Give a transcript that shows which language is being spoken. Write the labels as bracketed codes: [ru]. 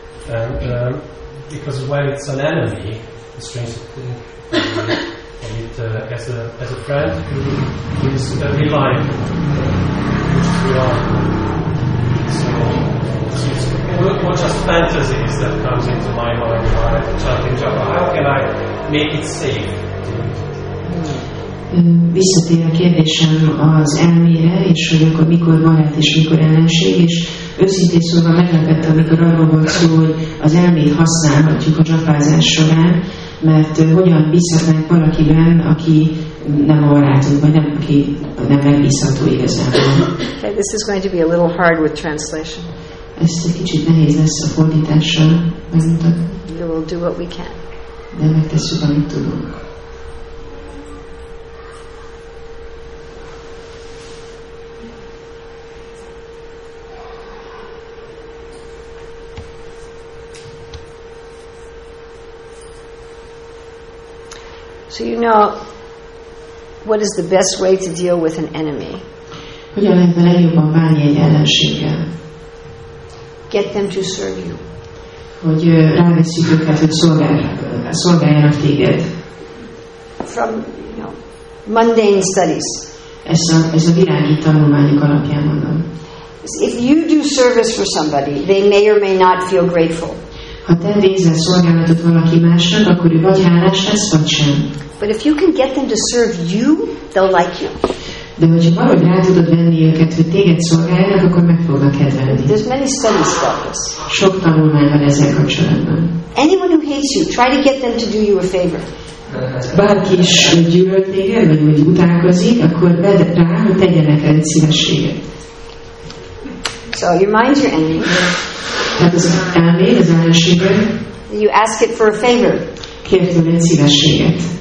[en] And because when it's an enemy, a strange thing. As a friend, who is a reliant, which we are. So, it's not just fantasies that comes into my mind when I chant in japa. How can I make it safe? [hu] Visszatér a kérdésem az elmére, és hogy akkor mikor barát és mikor ellenség, és őszintén szóval meglepett, amikor arról volt szó, hogy az elmét használhatjuk a japázás során, mert hogyan bízhatnánk valakiben, aki nem a barátunk, vagy nem, aki nem megbízható igazából. [en] Okay, this is going to be a little hard with translation. [hu] Ez egy kicsit nehéz lesz a fordítással, megmutatni. [en] We will do what we can. [hu] De megtesszük, amit tudunk. [en] So you know what is the best way to deal with an enemy? [hu] Hogyan lehet a legjobban bánni egy ellenséggel? [en] Get them to serve you. [hu] Hogy ráveszik őket, hogy szolgáljanak téged. [en] From mundane studies. [hu] Ez a világi tanulmányok alapján mondom. [en] If you do service for somebody, they may or may not feel grateful. [hu] Ha te végzel szolgálatot valaki másnak, akkor ő vagy hálás lesz, vagy sem. [en] But if you can get them to serve you, they'll like you. [hu] De hogyha valahogy rá tudod venni őket, hogy téged szolgáljanak, akkor meg fognak kedvelni. [en] There's many studies about this. [hu] Sok tanulmány van ezzel kapcsolatban. [en] Anyone who hates you, try to get them to do you a favor. [hu] Bárki is gyűlölt téged, vagy úgy utálkozik, akkor vedd rá, hogy tegyen neked szívességet. [en] So your mind's your enemy. [hu] Tehát az elméd, az ellenséged. [en] You ask it for a favor. [hu] Kérd tőle szívességet.